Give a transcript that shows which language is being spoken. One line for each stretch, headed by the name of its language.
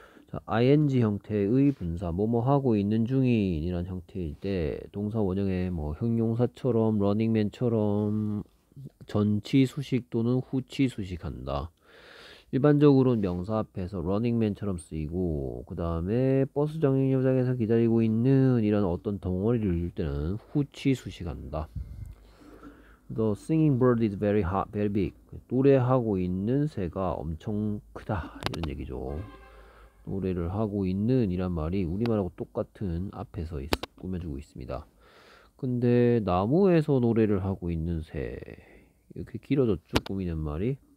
Korean: 자, ing 형태의 분사 뭐뭐 하고 있는 중인이란 형태일 때 동사 원형에 뭐 형용사처럼 러닝맨처럼 전치 수식 또는 후치 수식한다. 일반적으로는 명사 앞에서 러닝맨처럼 쓰이고, 그 다음에 버스 정류장에서 기다리고 있는 이런 어떤 덩어리를 읽을 때는 후치 수식한다.
English: The singing bird is very hot, very big.
Korean: 노래하고 있는 새가 엄청 크다. 이런 얘기죠. 노래를 하고 있는 이란 말이 우리말하고 똑같은 앞에서 꾸며주고 있습니다. 근데 나무에서 노래를 하고 있는 새. 이렇게 길어졌죠, 꾸미는 말이.